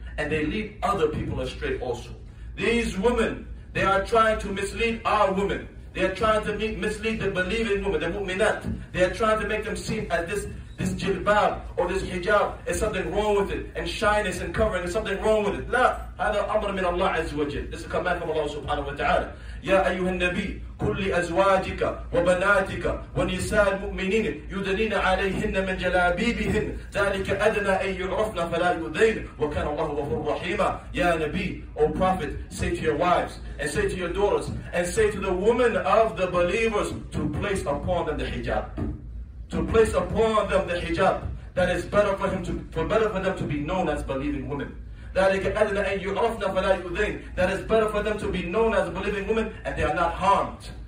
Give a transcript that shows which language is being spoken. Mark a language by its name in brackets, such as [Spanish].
[English] And they lead other people astray also. These women, they are trying to mislead our women. They are trying to mislead the believing women, the mu'minat. They are trying to make them seem as this jilbab or this hijab is something wrong with it, and shyness and covering is something wrong with it. [Arabic] لا هذا أمر من الله عز وجل. [English] This is a command from Allah subhanahu wa ta'ala. [Arabic] يا أيها النبي كل أزواجك وبناتك ونساء المؤمنين يدنين عليهن من جلابيبهن ذلك أدنى أن يعرفن فلا يؤذين وكان الله غفور رحيما. يا نبي, [English] O Prophet, say to your wives and say to your daughters and say to the women of the believers to place upon them the hijab. To place upon them the hijab, that is better for him to, for better for them to be known as believing women. That is better for them to be known as believing women, and they are not harmed.